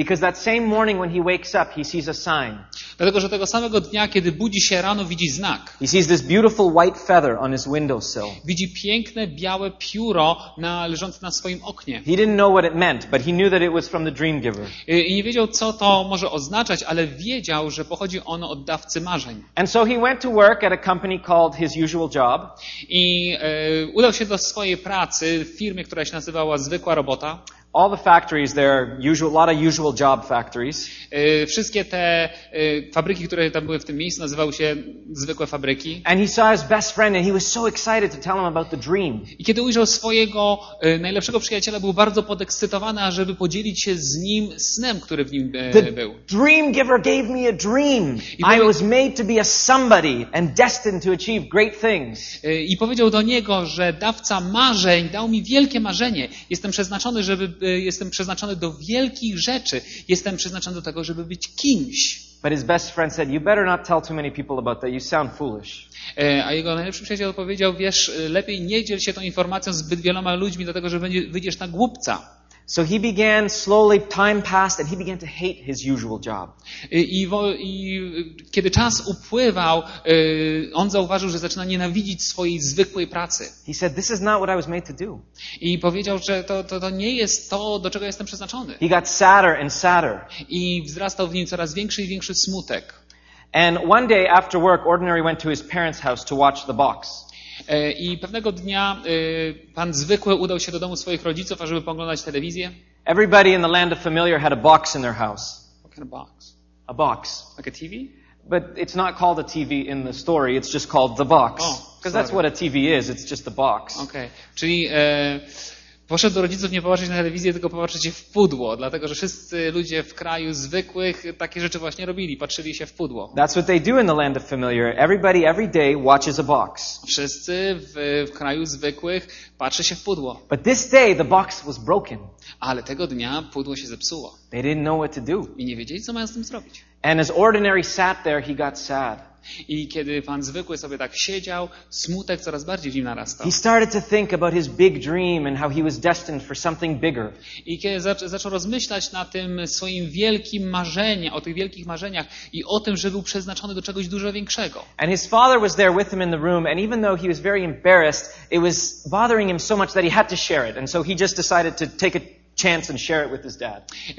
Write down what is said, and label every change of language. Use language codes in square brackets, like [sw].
[en] Because that same morning when he wakes up, he sees a sign. [pl] Dlatego że tego samego dnia, kiedy budzi się rano, widzi znak. [en] He sees this beautiful white feather on his windowsill. [pl] Widzi piękne białe pióro leżące na swoim oknie. [en] He didn't know what it meant, but he knew that it was from the dream giver. [pl] I nie wiedział, co to może oznaczać, ale wiedział, że pochodzi ono od dawcy marzeń. [en] And so he went to work at a company called his usual job. [pl] I udał się do swojej pracy w firmie, która się nazywała Zwykła robota. [en] All the factories there, usual, a lot of usual job factories. [pl] Wszystkie te fabryki, które tam były w tym miejscu, nazywały się zwykłe fabryki. [en] And he saw his best friend and he was so excited to tell him about the dream. [pl] I kiedy ujrzał swojego najlepszego przyjaciela, był bardzo podekscytowany, ażeby podzielić się z nim snem, który w nim był. [en] The dream giver gave me a dream. I was made to be a somebody and destined to achieve great things. [pl] I powiedział do niego, że dawca marzeń dał mi wielkie marzenie. Jestem przeznaczony do wielkich rzeczy. Jestem przeznaczony do tego, żeby być kimś. [en] But his best friend said, "You better not tell too many people about that. You sound foolish." [pl] A jego najlepszy przyjaciel powiedział, "Wiesz, lepiej nie dziel się tą informacją zbyt wieloma ludźmi, dlatego że wyjdziesz na głupca." [en] So he began slowly, time passed and he began to hate his usual job. [pl] I kiedy czas upływał, on zauważył, że zaczyna nienawidzić swojej zwykłej pracy. [en] He said, "This is not what I was made to do." [pl] I powiedział, że to nie jest to, do czego jestem przeznaczony. [en] He got sadder and sadder. [pl] I wzrastał w nim coraz większy i większy smutek. [en] And one day after work, Ordinary went to his parents' house to watch the box. [pl] I pewnego dnia pan zwykły udał się do domu swoich rodziców, ażeby pooglądać telewizję. [en] Everybody in the land of familiar had a box in their house. What kind of box? A box. Like a TV? But it's not called a TV in the story, it's just called the box. Because that's what a TV is, it's just a box. Okay. [pl] Czyli poszedł do rodziców nie popatrzeć na telewizję, tylko popatrzeć się w pudło, dlatego że wszyscy ludzie w kraju zwykłych takie rzeczy właśnie robili, patrzyli się w pudło. [en] That's what they do in the land of familiar. Everybody every day watches a box. [pl] Wszyscy w kraju zwykłych patrzy się w pudło. [en] But this day the box was broken. [pl] Ale tego dnia pudło się zepsuło. [en] They didn't know what to do. [pl] I nie wiedzieli, co mają z tym zrobić. [en] And as Ordinary sat there, he got sad. [pl] I kiedy pan zwykły sobie tak siedział, smutek coraz bardziej w nim narastał. [en] He started to think about his big dream and how he was destined for something bigger. [pl] I kiedy zaczął rozmyślać na tym swoim wielkim marzeniu, o tych wielkich marzeniach i o tym, że był przeznaczony do czegoś dużo większego. [en] And his father was there with him in the room, and even though he was very embarrassed, it was bothering him so much that he had to share it, and so he just decided to take it. Chance and share it with his dad.